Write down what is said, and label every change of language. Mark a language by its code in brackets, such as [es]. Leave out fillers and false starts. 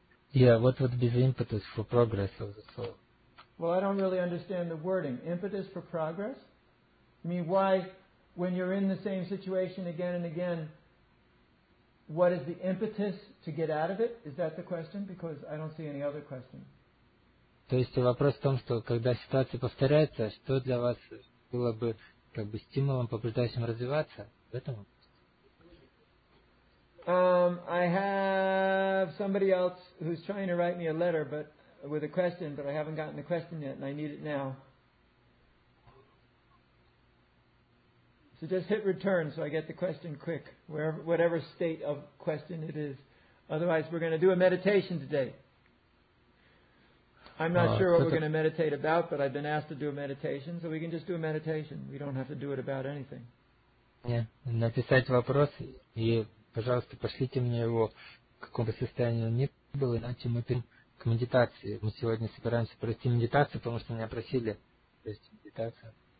[en] Yeah, what would be the impetus for progress of the soul? Well, I don't really understand the wording. Impetus for progress? I mean, why, when you're in the same situation again and again, what is the impetus to get out of it? Is that the question? Because I don't see any other question. [ru] То есть вопрос в том, что когда ситуация повторяется, что для вас было бы как бы стимулом, побуждающим развиваться? В этом? [en] I have somebody else who's trying to write me a letter, but with a question, but I haven't gotten the question yet, and I need it now. So just hit return, so I get the question quick, wherever, whatever state of question it is. Otherwise, we're going to do a meditation today. I'm not sure what we're going to meditate about, but I've been asked to do a meditation, so we can just do a meditation. We don't have to do it about anything. [ru] Yeah, написать вопрос и, пожалуйста, пошлите мне его, в каком бы состоянии он ни был, иначе мы перейдем к медитации. Мы сегодня собираемся провести медитацию, потому что меня просили провести медитацию.